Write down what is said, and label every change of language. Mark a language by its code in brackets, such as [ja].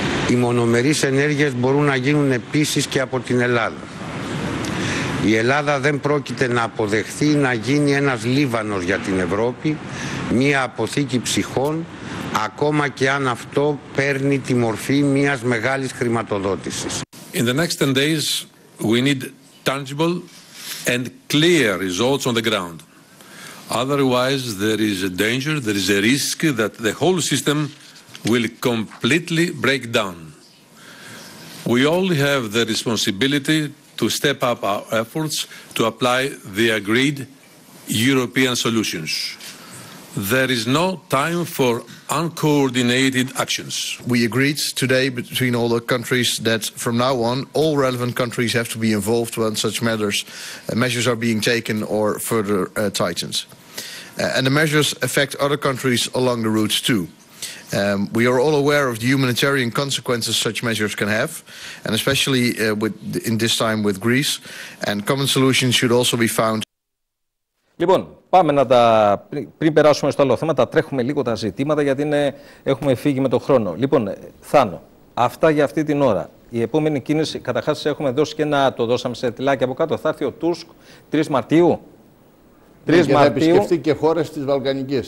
[el] Οι μονομερείς ενέργειες μπορούν να γίνουν επίσης και από την Ελλάδα. Η Ελλάδα δεν πρόκειται να αποδεχθεί να γίνει ένας Λίβανος για την Ευρώπη, μία αποθήκη ψυχών, ακόμα και αν αυτό παίρνει τη μορφή μιας μεγάλης χρηματοδότησης. [en] In the next 10 days, we need tangible and clear results on the ground. Otherwise, there is a danger, there is a risk that the whole system will completely break down. We all have the responsibility to step up our efforts to apply the agreed European solutions. There is no time for uncoordinated actions. We agreed today between all the countries that from now on all relevant countries have to be involved when such measures are being taken or further tightened. And the measures affect other countries along the route too. We are all aware of the humanitarian consequences such measures can have, and especially in this time with Greece, and common solutions should also be found. [el] Λοιπόν, πάμε να τα. Πριν περάσουμε στο άλλο θέμα, τα τρέχουμε λίγο τα ζητήματα, γιατί έχουμε φύγει με τον χρόνο. Λοιπόν, Θάνο, αυτά για αυτή την ώρα. Η επόμενη κίνηση, καταρχάς, έχουμε δώσει και ένα. Το δώσαμε σε τυλάκι από κάτω. Θα έρθει ο Τούσκ 3 Μαρτίου. 3 Μαρτίου. Και θα επισκεφτεί και χώρες της Βαλκανικής.